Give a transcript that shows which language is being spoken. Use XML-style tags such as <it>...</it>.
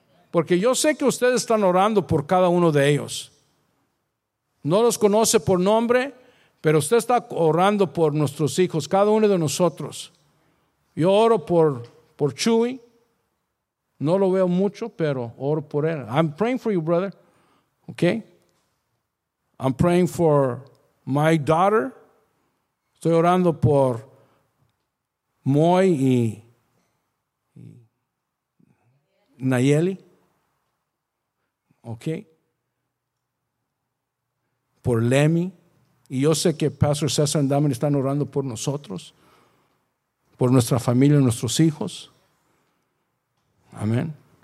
<es>Porque yo sé que ustedes están orando por cada uno de ellos. No los conoce por nombre, pero usted está orando por nuestros hijos, cada uno de nosotros. Yo oro por Chuy. No lo veo mucho, pero oro por él.</es> <en>I'm praying for you, brother. Okay. I'm praying for my daughter.</en> <es>Estoy orando por Moy y Nayeli. Ok. Por Lemmy. Y yo sé que Pastor César y Damon están orando por nosotros, por nuestra familia y nuestros hijos. Amén.</es>